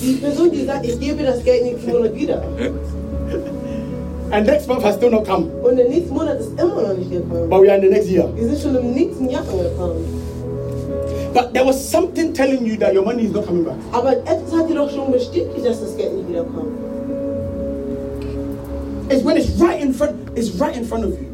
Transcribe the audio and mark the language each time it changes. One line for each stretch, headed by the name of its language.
German: Die Person, die sagt, ich gebe das Geld nicht für Monat wieder.
English: And next month has still not come.
German: Und der nächste Monat ist immer noch nicht gekommen.
English: But we are in the next year.
German: Wir sind schon im nächsten Jahr angekommen.
English: But there was something telling you that your money is not coming back.
German: Aber etwas hat dir doch schon bestätigt, dass das Geld nicht wiederkommt.
English: It's when it's right in front of you.